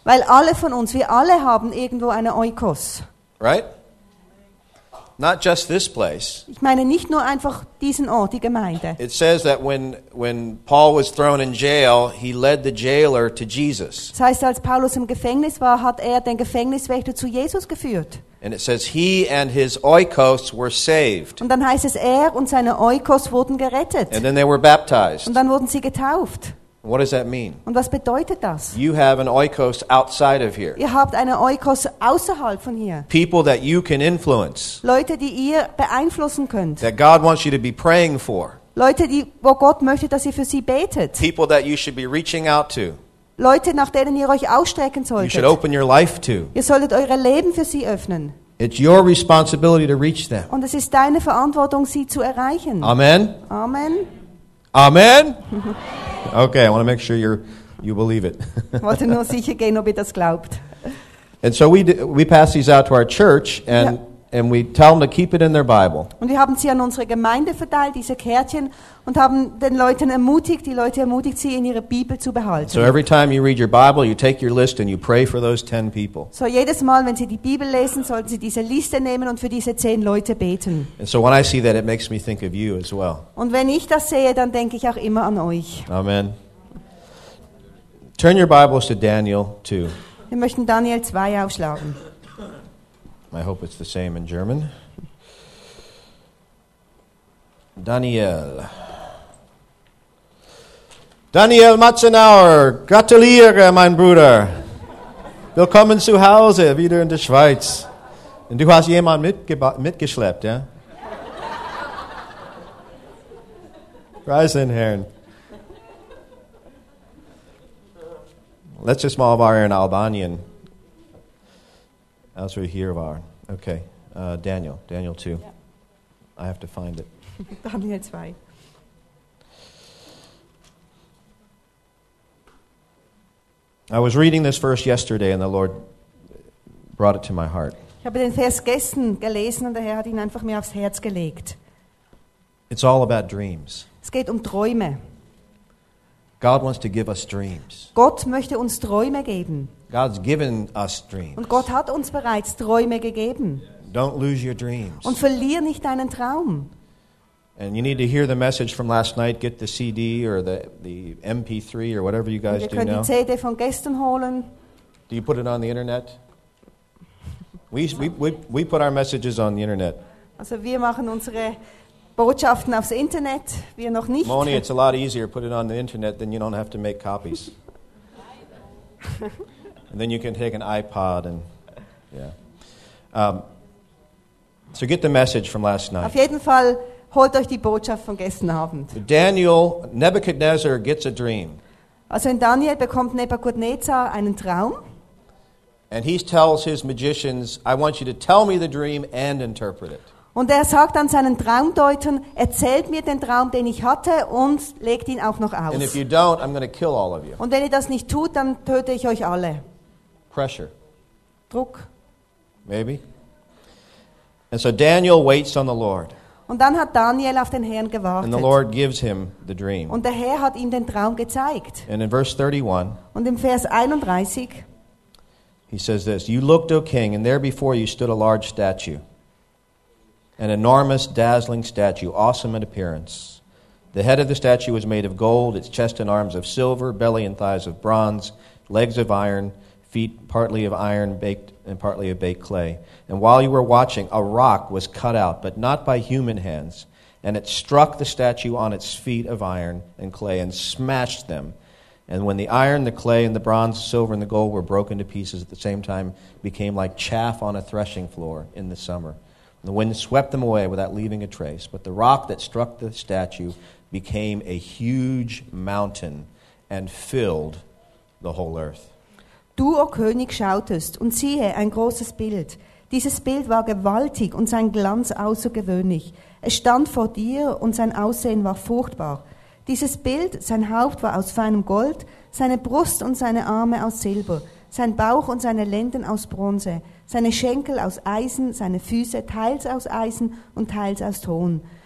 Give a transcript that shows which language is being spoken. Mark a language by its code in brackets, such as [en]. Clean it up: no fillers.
[de] Weil alle von uns, wir alle haben irgendwo eine oikos. [en] Right? Not just this place. [de] Ich meine nicht nur einfach diesen Ort, die Gemeinde. [en] It says that when Paul was thrown in jail, he led the jailer to Jesus. [de] Das heißt, als Paulus im Gefängnis war, hat den Gefängniswächter zu Jesus geführt. [en] And it says he and his oikos were saved. [de] Und dann heißt es, und seine oikos wurden gerettet. [en] And then they were baptized. [de] Und dann wurden sie getauft. [en] What does that mean? [de] Und was bedeutet das? [en] You have an oikos outside of here. [de] Ihr habt eine oikos außerhalb von hier. [en] People that you can influence. [de] Leute, die ihr beeinflussen könnt. [en] That God wants you to be praying for. [de] Leute, die, wo Gott möchte, dass ihr für sie betet. [en] People that you should be reaching out to. [de] Leute, nach denen ihr euch ausstrecken solltet. [en] You should open your life to. [de] Ihr solltet eure Leben für sie öffnen. [en] It's your responsibility to reach them. [de] Und es ist deine Verantwortung, sie zu erreichen. Amen. Amen. Amen. [en] Okay, I want to make sure you believe it. [de] Wollte nur sicher gehen, ob ihr das glaubt. [en] And so we pass these out to our church and we tell them to keep it in their Bible. [de] Und wir haben sie an unsere Gemeinde verteilt, diese Kärtchen, und haben den Leuten ermutigt, die Leute ermutigt, sie in ihre Bibel zu behalten. [en] So every time you read your Bible, you take your list and you pray for those 10 people. [de] So jedes Mal, wenn sie die Bibel lesen, sollten sie diese Liste nehmen und für diese 10 Leute beten. [en] And so when I see that, it makes me think of you as well. [de] Und wenn ich das sehe, dann denke ich auch immer an euch. [en] Amen. Turn your Bibles to Daniel 2. [de] Wir möchten Daniel 2 aufschlagen. [en] I hope it's the same in German. [de] Daniel. Daniel Matzenauer, gratuliere, mein Bruder. Willkommen zu Hause, wieder in der Schweiz. Und du hast jemanden mitgeschleppt, ja? Reise in Herrn. Let's just mal waren Albanien. Als wir hier waren. [en] Okay, Daniel 2. Yeah. I have to find it. Daniel 2. I was reading this verse yesterday and the Lord brought it to my heart. [de] Ich habe den Vers gestern gelesen und der Herr hat ihn einfach mir aufs Herz gelegt. [en] It's all about dreams. [de] Es geht Träume. [en] God wants to give us dreams. [de] Gott möchte uns Träume geben. [en] God's given us dreams. [de] Und Gott hat uns bereits Träume gegeben. [en] Don't lose your dreams. [de] Und verlier nicht deinen Traum. [en] And you need to hear the message from last night. Get the CD or the MP3 or whatever you guys do now. [de] Wir können die CD von gestern holen. [en] Do you put it on the internet? We put our messages on the internet. [de] Also wir machen unsere Botschaften aufs Internet. Wir noch nicht. [en] Moni, it's a lot easier to put it on the internet than you don't have to make copies. And then you can take an iPod and yeah. So get the message from last night. [de] Auf jeden Fall holt euch die Botschaft von gestern Abend. [en] Daniel, Nebuchadnezzar gets a dream. [de] Also in Daniel bekommt Nebukadnezar einen Traum. [en] And he tells his magicians, I want you to tell me the dream and interpret it. [de] Und er sagt an seinen Traumdeutern, erzählt mir den Traum, den ich hatte, und legt ihn auch noch aus. [en] And if you don't, I'm going to kill all of you. [de] Und wenn ihr das nicht tut, dann töte ich euch alle. [en] Pressure. [de] Druck. [en] Maybe. And so Daniel waits on the Lord. [de] Und dann hat Daniel auf den Herrn gewartet. [en] And the Lord gives him the dream. [de] Und der Herr hat ihm den Traum gezeigt. [en] And in verse 31. [de] Und im Vers 31. [en] He says this, you looked, O king, and there before you stood a large statue. An enormous, dazzling statue, awesome in appearance. The head of the statue was made of gold, its chest and arms of silver, belly and thighs of bronze, legs of iron, feet partly of iron baked and partly of baked clay. And while you were watching, a rock was cut out, but not by human hands, and it struck the statue on its feet of iron and clay and smashed them. And when the iron, the clay, and the bronze, silver, and the gold were broken to pieces at the same time, became like chaff on a threshing floor in the summer. The wind swept them away without leaving a trace, but the rock that struck the statue became a huge mountain and filled the whole earth. [de] Du, O König, schautest, und siehe, ein großes Bild. Dieses Bild war gewaltig und sein Glanz außergewöhnlich. Es stand vor dir und sein Aussehen war furchtbar. Dieses Bild, sein Haupt war aus feinem Gold, seine Brust und seine Arme aus Silber, sein Bauch und seine Lenden aus Bronze, seine Schenkel aus Eisen, seine Füße teils aus Eisen und teils aus Ton.